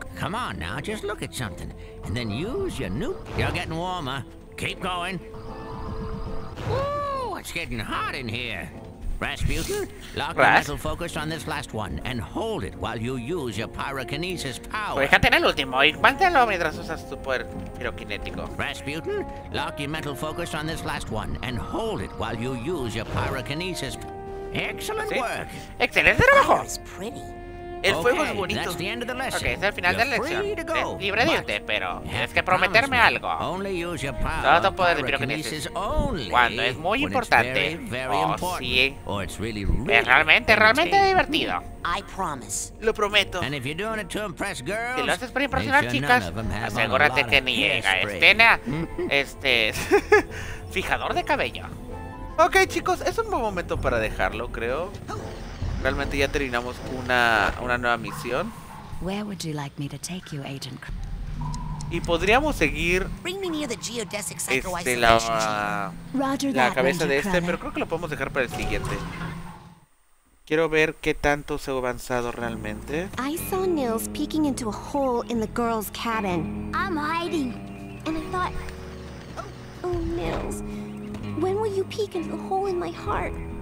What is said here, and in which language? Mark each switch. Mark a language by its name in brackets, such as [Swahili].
[English] Come on now, just look at something, and then use your nuke. You're getting warmer. Keep going. It's getting hot in here. Rasputin, lock the metal focus on this last one and hold it while you use your pyrokinesis power. [Spanish] Déjate en el último y manténlo mientras usas tu poder pirokinético. [English] Rasputin, lock your metal focus on this last one and hold it while you use your pyrokinesis. Excellent work. [Spanish] Excelente trabajo. El fuego es bonito. [English] Okay, that's the end of the lesson. [Spanish] Okay, es el final de la lección. Libre de irte, pero tienes que prometerme algo. [English] Only use your power. [Spanish] Todo tu poder de pirokinesis cuando es muy importante. Oh, sí. Es realmente, realmente divertido. [English] I promise. [Spanish] Lo prometo. [English] And if you're doing it to impress girls, [Spanish] si lo haces para impresionar chicas, asegúrate que ni llega Estena, este fijador de cabello. Ok, chicos, es un buen momento para dejarlo, creo. Realmente ya terminamos una nueva misión. [English] Where would you like me to take you, Agent? [Spanish] Y podríamos seguir la cabeza de este, pero creo que lo podemos dejar para el siguiente. Quiero ver qué tanto se ha avanzado realmente. [English] I saw Nils peeking into a hole in the girl's cabin. I'm hiding. And I thought, oh, Nils, when will you peek into the hole in my heart?